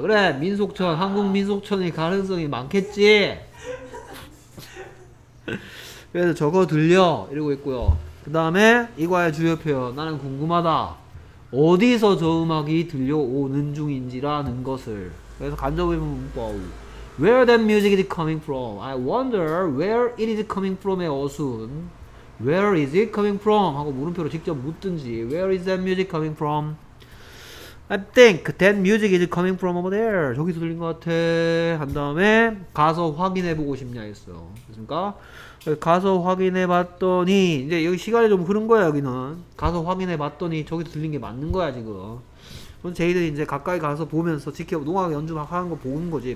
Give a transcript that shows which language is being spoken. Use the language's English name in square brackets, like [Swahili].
[Korean] 그래 민속촌 한국 민속촌이 가능성이 많겠지. 그래서 저거 들려 이러고 있고요. 그 다음에 이과의 주요 표현 나는 궁금하다. 어디서 저 음악이 들려오는 중인지라는 것을. 그래서 간접의 문법 [English] Where that music is coming from? I wonder where it is coming from의 [Korean] 어순 [English] Where is it coming from? [Korean] 하고 물음표로 직접 묻든지 [English] Where is that music coming from? I think that music is coming from over there. [Korean] 저기서 들린 것 같아. 한 다음에 가서 확인해보고 싶냐 했어요. 그렇습니까? 가서 확인해봤더니 이제 여기 시간이 좀 흐른 거야. 여기는 가서 확인해봤더니 저기서 들린 게 맞는 거야 지금. 그럼 제이들 이제 가까이 가서 보면서 지켜 농악 연주 막 하는 거 보는 거지.